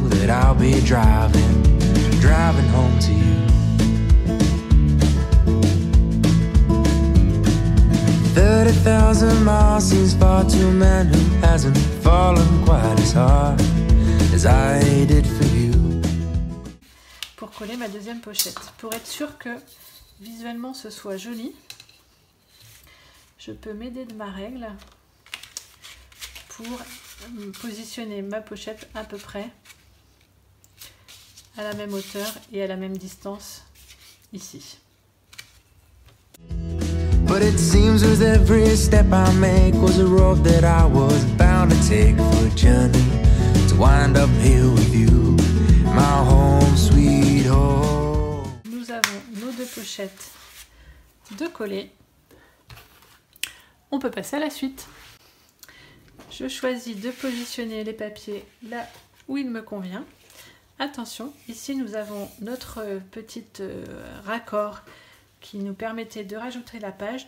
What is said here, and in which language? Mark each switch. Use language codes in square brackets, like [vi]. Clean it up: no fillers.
[en] I'll be driving home to you. Thirty thousand miles seems far to a man who hasn't fallen quite as hard as I did for you. [fr] Pour coller ma deuxième pochette, pour être sûr que visuellement ce soit joli, je peux m'aider de ma règle pour positionner ma pochette à peu près à la même hauteur et à la même distance ici. [en] But it seems with every step I make was a road that I was bound to take for a journey to wind up here with you, my home sweet home. [fr] Nous avons nos deux pochettes de coller. On peut passer à la suite. Je choisis de positionner les papiers là où il me convient. Attention, ici nous avons notre petit raccord qui nous permettait de rajouter la page.